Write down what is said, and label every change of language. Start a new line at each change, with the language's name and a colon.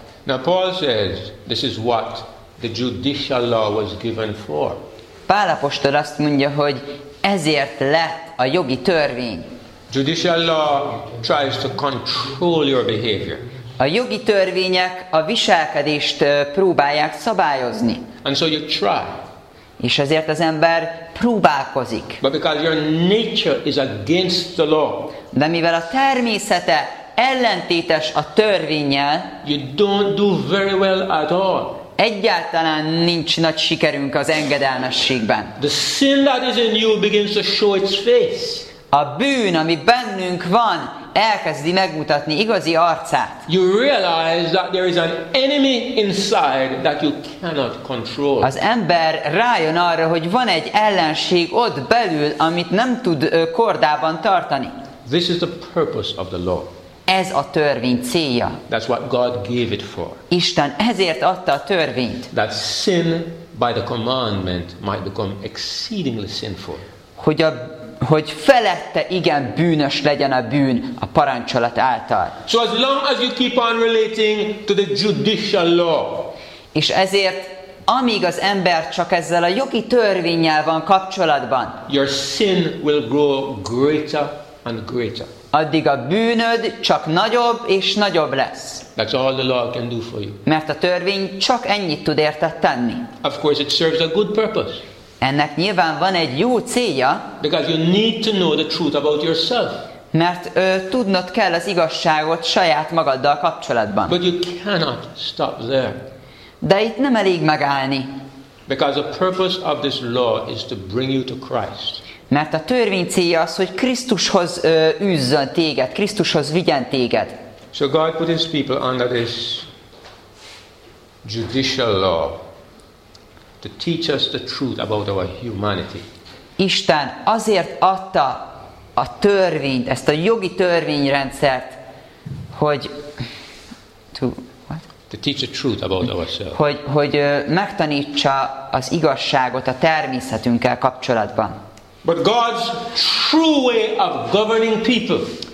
English: Now Paul says, this is what the judicial law was given for.
Hungarian: Pál apostol azt mondja, hogy ezért lett a jogi törvény.
English: Judicial law tries to control your behavior.
Hungarian: A jogi törvények a viselkedést próbálják szabályozni.
English: And so you try.
Hungarian: És ezért az ember próbálkozik.
English: But because your nature is against the law.
Hungarian: De mivel a természete ellentétes a törvénnyel,
English: you don't do very well at all.
Hungarian: Egyáltalán nincs nagy sikerünk az engedelmességben.
English: The sin that is in you begins to show its face.
Hungarian: A bűn, ami bennünk van, elkezdi megmutatni igazi arcát.
English: You realize that there is an enemy inside that you cannot control.
Hungarian: Az ember rájön arra, hogy van egy ellenség ott belül, amit nem tud kordában tartani.
English: This is the purpose of the law.
Hungarian: Ez a törvény célja.
English: That's what God gave it for.
Hungarian: Isten ezért adta a törvényt.
English: That sin by the commandment might become exceedingly sinful.
Hungarian: Hogy felette igen bűnös legyen a bűn a parancsolat által.
English: So as long as you keep on relating to the judicial law.
Hungarian: És ezért amíg az ember csak ezzel a jogi törvénnyel van kapcsolatban,
English: your sin will grow greater and greater.
Hungarian: Addig a bűnöd csak nagyobb és nagyobb lesz.
English: That's all the law can do for you.
Hungarian: Mert a törvény csak ennyit tud érted tenni.
English: Of course it serves a good purpose.
Hungarian: Ennek nyilván van egy jó célja.
English: Because you need to know the truth about yourself.
Hungarian: Mert tudnod kell az igazságot saját magaddal kapcsolatban.
English: But you cannot stop there.
Hungarian: De itt nem elég megállni.
English: Because the purpose of this law is to bring you to Christ.
Hungarian: Mert a törvény célja az, hogy Krisztushoz üzzön téged, Krisztushoz vigyen téged.
English: So God put his people under this judicial law to teach us the truth about our humanity.
Hungarian: Isten azért adta a törvényt, ezt a jogi törvényrendszert, hogy
English: to teach the truth about ourselves.
Hungarian: Hogy megtanítsa az igazságot a természetünkkel kapcsolatban.
English: But God's true way of governing people.